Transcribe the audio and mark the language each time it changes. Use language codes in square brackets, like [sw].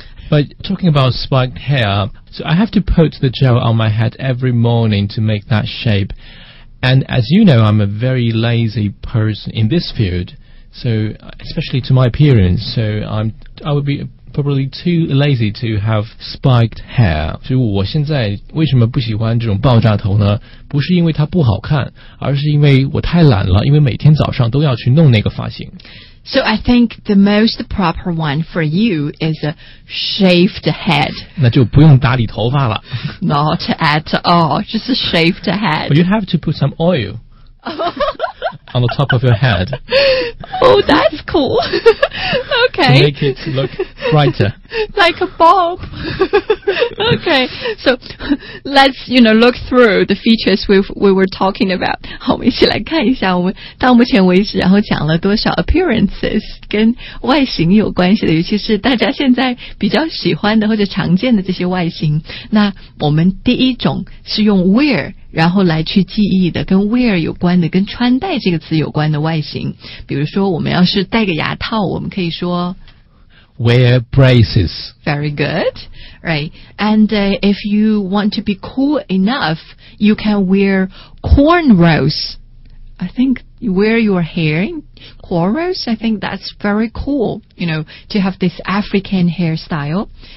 [en] But talking about spiked hair, so I have to put the gel on my head every morning to make that shape. And as you know, I'm a very lazy person in this field, so especially to my appearance, so I would be probably too lazy to have spiked hair. [zh] 所以我现在为什么不喜欢这种爆炸头呢？不是因为它不好看，而是因为我太懒了，因为每天早上都要去弄那个发型。 [en] So I think the most proper one for you is a shaved head. [zh] 那就不用打理头发了。 [en] Not at all, just a shaved head. But you have to put some oil on the top of your head. Oh, that's cool. Okay. To make it look brighter. Like a bulb. Okay, so let's, you know, look through the features we were talking about. [zh] 好，我们一起来看一下我们到目前为止然后讲了多少 appearances 跟外形有关系的，尤其是大家现在比较喜欢的或者常见的这些外形。那我们第一种是用 wear 然后来去记忆的，跟 wear 有关的，跟穿戴这个词有关的外形。比如说我们要是戴个牙套，我们可以说 [en] Wear braces. Very good. Right. And if you want to be cool enough, you can wear cornrows. I think you wear your hair in cornrows. I think that's very cool, you know, to have this African hairstyle.